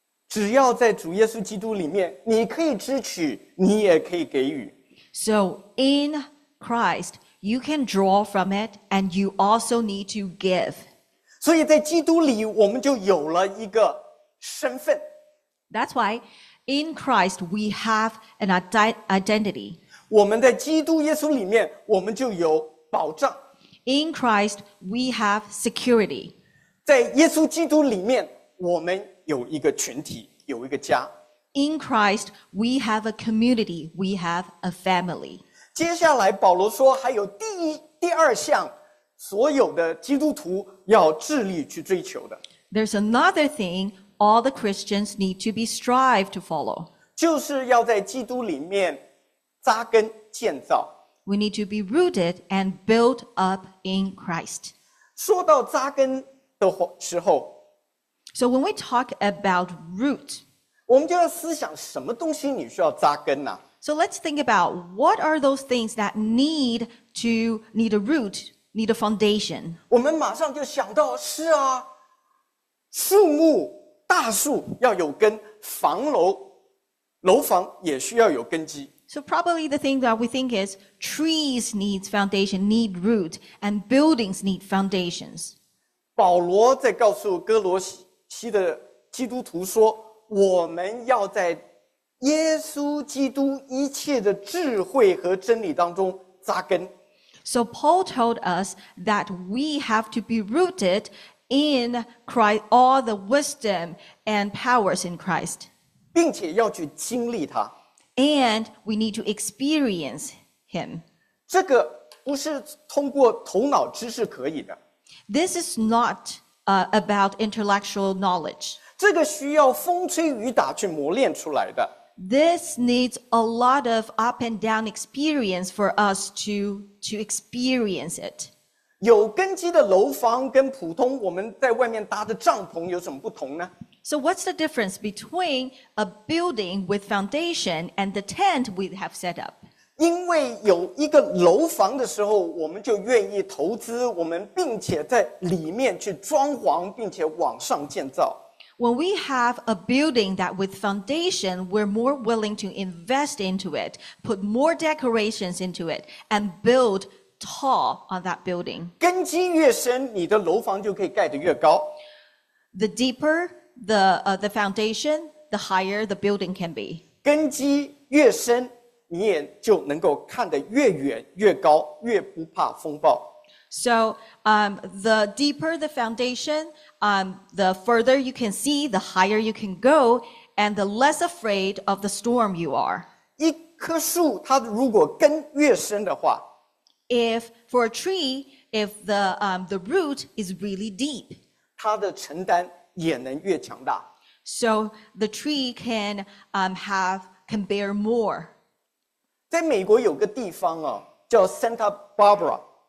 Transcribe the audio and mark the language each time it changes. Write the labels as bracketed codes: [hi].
[zh] 只要在主耶稣基督里面，你可以支取，你也可以给予。 [en] So in Christ, You can draw from it, and you also need to give. [zh] 所以在基督里，我们就有了一个身份。 [en] That's why in Christ we have an identity. [zh] 我们在基督耶稣里面，我们就有保障。 [en] In Christ we have security. [zh] 在耶稣基督里面，我们有一个群体，有一个家。 [en] In Christ we have a community, we have a family. [zh] 接下来保罗说还有第二项所有的基督徒要致力去追求的。 [en] There's another thing all the Christians need to be strive to follow. [zh] 就是要在基督里面扎根建造。 [en] We need to be rooted and built up in Christ. [zh] 说到扎根的时候。 [en] So when we talk about root, [zh] 我们就要思想什么东西你需要扎根啊。 [en] So let's think about what are those things that need a root,need a foundation. [zh] 我们马上就想到是啊，树木大树要有根，房楼楼房也需要有根基。 [en] So probably the thing that we think is trees need foundation, need root, and buildings need foundations. [zh] 保罗在告诉哥罗西的基督徒说，我们要在耶稣基督一切的智慧和真理当中扎根。 [en] So Paul told us that we have to be rooted in Christ, all the wisdom and powers in Christ. [zh] 并且要去经历他。 [en] And we need to experience him. [zh] 这个不是通过头脑知识可以的。 [en] This is not, about intellectual knowledge. [zh] 这个需要风吹雨打去磨练出来的。 [en] This needs a lot of up and down experience for us to experience it. [zh] 有根基的楼房跟普通我们在外面搭的帐篷有什么不同呢？ [en] So what's the difference between a building with foundation and the tent we have set up? [zh] 因为有一个楼房的时候，我们就愿意投资我们，并且在里面去装潢，并且往上建造。 [en] When we have a building that with foundation, we're more willing to invest into it, put more decorations into it, and build tall on that building. [zh] 根基越深，你的楼房就可以盖得越高。 [en] The deeper the foundation, the higher the building can be. [zh] 根基越深，你也就能够看得越远、越高、越不怕风暴。 [en] So, the deeper the foundation, the further you can see, the higher you can go, and the less afraid of the storm you are. [zh] 一棵树它如果根越深的话， [en] if for a tree, if the root is really deep, [zh] 它的承担也能越强大。 [en] So the tree can bear more. [zh] 在美国有个地方啊，叫 Santa Barbara。